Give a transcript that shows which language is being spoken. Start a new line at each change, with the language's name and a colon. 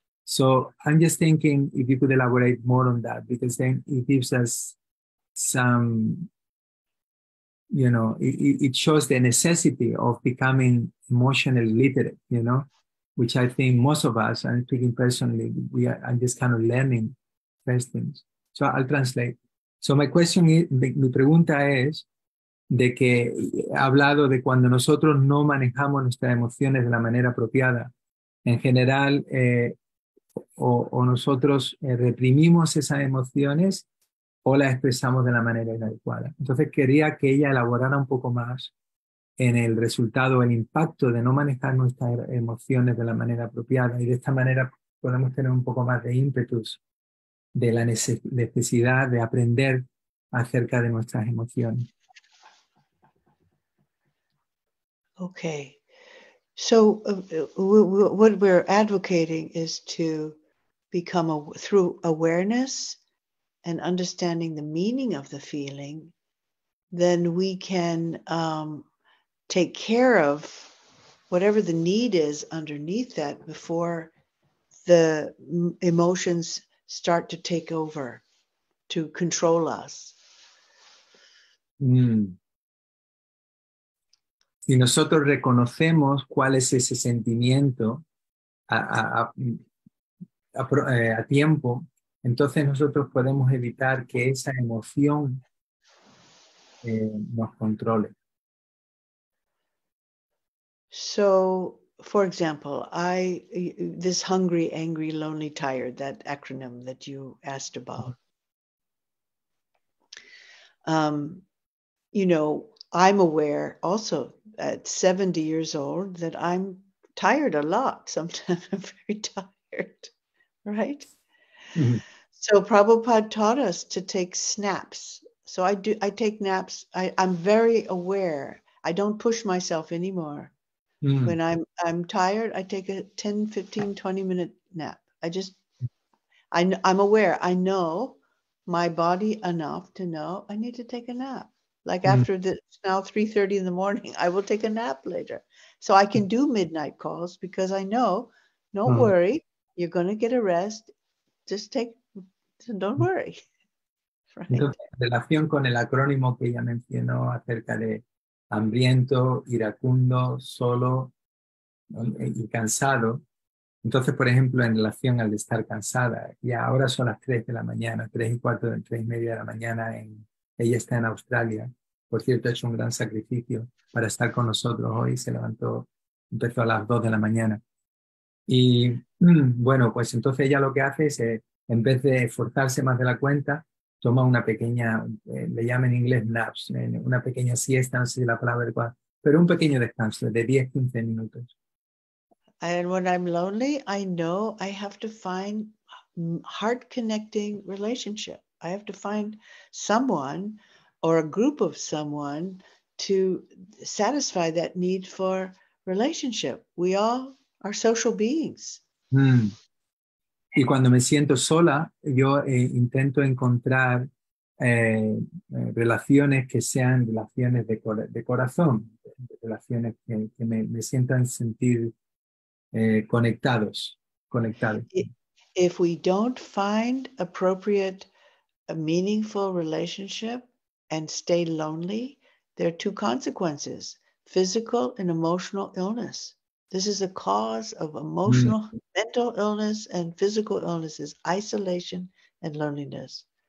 English: So I'm just thinking if you could elaborate more on that, because then it gives us some, you know, it shows the necessity of becoming emotionally literate, you know, which I think most of us, I'm speaking personally, we are just kind of learning first things. So I'll translate. So my question is,
Spanish: mi pregunta es, de que ha hablado de cuando nosotros no manejamos nuestras emociones de la manera apropiada, en general, o nosotros reprimimos esas emociones o las expresamos de la manera inadecuada. Entonces quería que ella elaborara un poco más en el resultado, el impacto de no manejar nuestras emociones de la manera apropiada, y de esta manera podemos tener un poco más de ímpetus de la necesidad de aprender acerca de nuestras emociones.
English: Okay, so what we're advocating is to become through awareness and understanding the meaning of the feeling, then we can take care of whatever the need is underneath that before the emotions start to take over, to control us.
Spanish: Si nosotros reconocemos cuál es ese sentimiento a tiempo, entonces nosotros podemos evitar que esa emoción nos controle.
English: So, for example, this hungry, angry, lonely, tired, that acronym that you asked about. You know, I'm aware also at 70 years old that I'm tired a lot. Sometimes I'm very tired, right? Mm-hmm. So Prabhupada taught us to take snaps. So I take naps. I'm very aware. I don't push myself anymore. Mm-hmm. When I'm tired, I take a 10, 15, 20 minute nap. I'm aware. I know my body enough to know I need to take a nap. Like after it's now 3:30 in the morning, I will take a nap later. So I can do midnight calls because I know, don't worry, you're going to get a rest. Just take, don't worry. Right.
Spanish: Entonces, en relación con el acrónimo que ella mencionó acerca de hambriento, iracundo, solo y cansado. Entonces, por ejemplo, en relación al de estar cansada, y ahora son las 3 de la mañana, 3 y cuarto, 3 y media de la mañana, ella está en Australia. Por cierto, ha hecho un gran sacrificio para estar con nosotros hoy. Se levantó, empezó a las 2 de la mañana. Y bueno, pues entonces ella lo que hace es, en vez de esforzarse más de la cuenta, toma una pequeña, le llaman en inglés naps, una pequeña siesta, no sé si la palabra es igual, pero un pequeño descanso de 10, 15 minutos.
English: And when I'm lonely, I know I have to find heart-connecting relationship. I have to find someone or a group of someone to satisfy that need for relationship. We all are social beings. Mm.
Spanish: Y cuando me siento sola, yo intento encontrar relaciones que sean relaciones de corazón, relaciones que me sientan sentir conectados.
English: If we don't find appropriate, a meaningful relationship and stay lonely, there are two consequences, physical and emotional illness. This is a cause of emotional, mental illness and physical illnesses, isolation and loneliness.